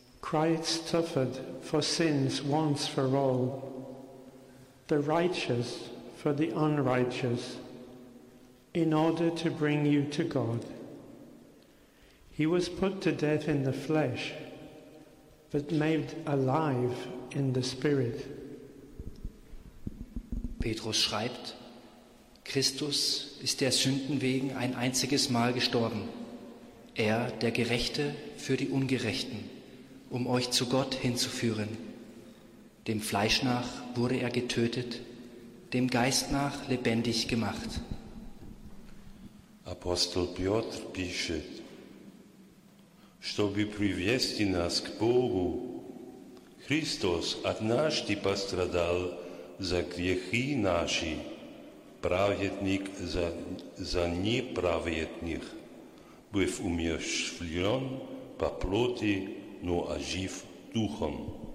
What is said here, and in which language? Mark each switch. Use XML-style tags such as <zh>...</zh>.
<en>Christ suffered for sins once for all, the righteous for the unrighteous, in order to bring you to God. He was put to death in the flesh, but made alive in the Spirit.</en> <de>Petrus schreibt, Christus ist der Sünden wegen ein einziges Mal gestorben, er der Gerechte für die Ungerechten, um euch zu Gott hinzuführen. Dem Fleisch nach wurde er getötet, dem Geist nach lebendig gemacht.</de> <ru>Апостол Петр пишет, чтобы привести нас к Богу, Христос однажды пострадал за грехи наши, праведник за неправедных, быв умерщвлен по плоти, но ожив духом.</ru>